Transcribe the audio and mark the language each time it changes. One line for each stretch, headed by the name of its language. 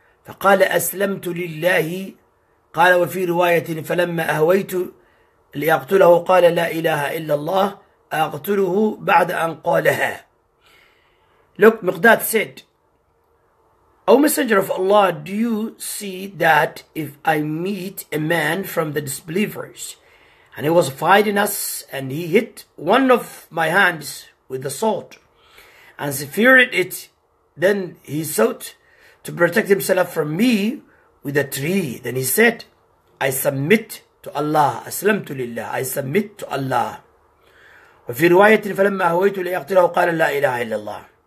Arabic: فقال أسلمت لله. قال وفي رواية فلما أهويت ليقتله قال لا إله إلا الله أقتله بعد أن قالها.
English: Look, Miqdad said, O Messenger of Allah, do you see that if I meet a man from the disbelievers and he was fighting us and he hit one of my hands with the sword and severed it, then he sought to protect himself from me with a tree. Then he said, I submit to Allah.
Arabic: Aslamtu lillah.
English: I submit to Allah.
Arabic: وفي رواية فلما هويت ليقتله قال لا إله إلا الله.